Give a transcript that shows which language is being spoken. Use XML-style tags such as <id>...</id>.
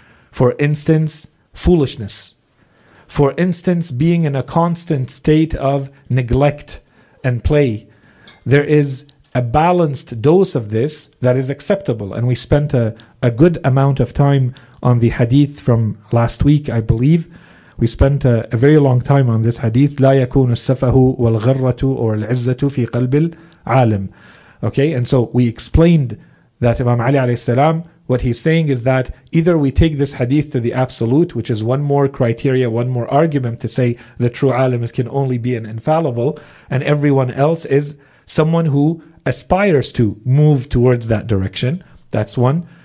<en>For instance, foolishness. For instance, being in a constant state of neglect and play. There is a balanced dose of this that is acceptable. And we spent a good amount of time on the hadith from last week, I believe. We spent a very long time on this hadith.</en> <ar>لا يكون السفه والغرة or العزة في قلب العالم.</ar> <en>Okay, and so we explained that Imam Ali alayhi salam, what he's saying is that either we take this hadith to the absolute, which is one more criteria, one more argument to say the true alim can only be an infallible, and everyone else is someone who aspires to move towards that direction. That's one.</en>